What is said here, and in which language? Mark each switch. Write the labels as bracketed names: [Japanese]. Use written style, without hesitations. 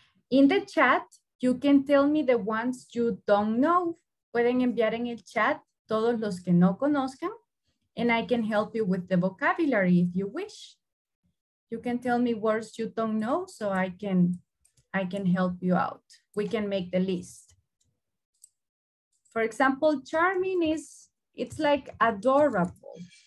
[English] In the chat, you can tell me the ones you don't know. [Spanish] Pueden enviar en el chat todos los que no conozcan. [English] And I can help you with the vocabulary if you wish. You can tell me words you don't know so I can help you out. We can make the list. For example, charming is, it's like adorable.